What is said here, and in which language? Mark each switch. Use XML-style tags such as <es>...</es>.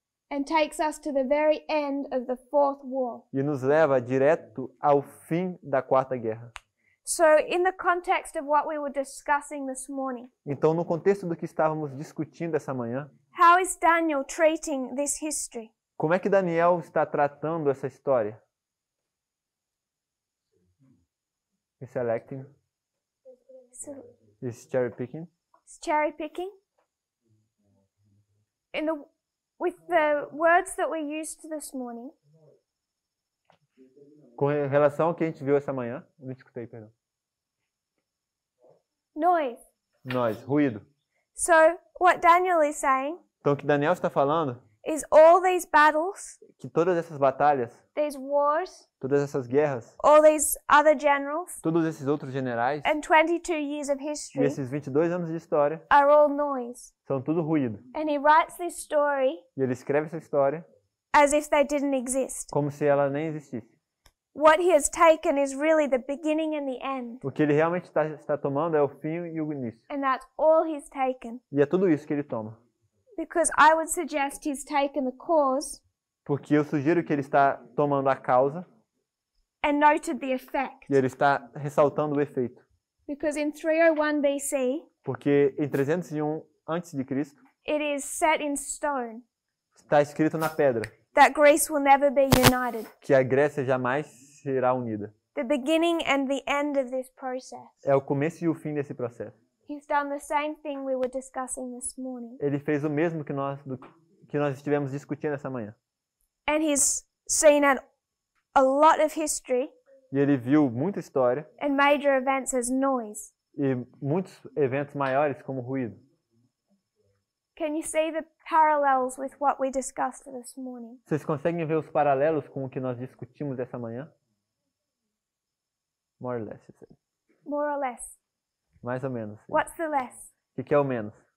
<en>And takes us to the very end of the fourth war.</en> <pt>E nos leva direto ao fim da quarta guerra.</pt> <en>So, in the context of what we were discussing this morning.</en> <pt>Então, no contexto do que estávamos discutindo essa manhã.</pt> <en>How is Daniel treating this history?</en> <pt>Como é que Daniel está tratando essa história?</pt> <en>He's selecting. He's cherry picking. He's cherry picking. In the with the words that we used this morning.</en> <pt>Com relação ao que a gente viu essa manhã, não escutei, perdão.</pt> <en>Noise,</en> <pt>ruído.</pt> <en>So what Daniel is saying?</en> <pt>Então o que Daniel está falando?</pt> <en>Is all these battles?</en> <pt>Que todas essas batalhas?</pt> <en>These wars?</en> <pt>Todas essas guerras?</pt> <en>All these other generals?</en> <pt>Todos esses outros generais?</pt> <en>And 22 years of history?</en> <pt>E esses 22 anos de história?</pt> <en>Are all noise?</en> <pt>São tudo ruído.</pt> <en>And he writes this story?</en> <pt>E ele escreve essa história?</pt> <en>As if they didn't exist.</en> <pt>Como se ela nem existisse.</pt> <en>What he has taken is really the beginning and the end.</en> <pt>O que ele realmente está tomando é o fim e o início.</pt> <en>And that's all he's taken.</en> <pt>E é tudo isso que ele toma.</pt> <en>Because I would suggest he's taken the cause.</en> <pt>Porque eu sugiro que ele está tomando a causa.</pt> <en>And noted the effect.</en> <pt>E ele está ressaltando o efeito.</pt> <en>Because in 301 BC.</en> <pt>Porque em 301 antes de Cristo.</pt> <en>It is set in stone.</en> <pt>Está escrito na pedra.</pt> <en>That Greece will never be united.</en> <pt>Que a Grécia jamais será unida.</pt> <en>The beginning and the end of this process.</en> <pt>É o começo e o fim desse processo.</pt> <en>He's done the same thing we were discussing this morning.</en> <pt>Ele fez o mesmo que nós estivemos discutindo essa manhã.</pt> <en>And he's seen a lot of history.</en> <pt>E ele viu muita história.</pt> <en>And major events as noise.</en> <pt>E muitos eventos maiores como ruído.</pt> <en>Can you see the parallels with what we discussed this morning?</en> <pt>Vocês conseguem ver os paralelos com o que nós discutimos essa manhã?</pt> <en>More or less, you say. More or less.</en> <pt>Mais ou menos. Sim.</pt> <en>What's the less?</en> <pt>O que é o menos?</pt>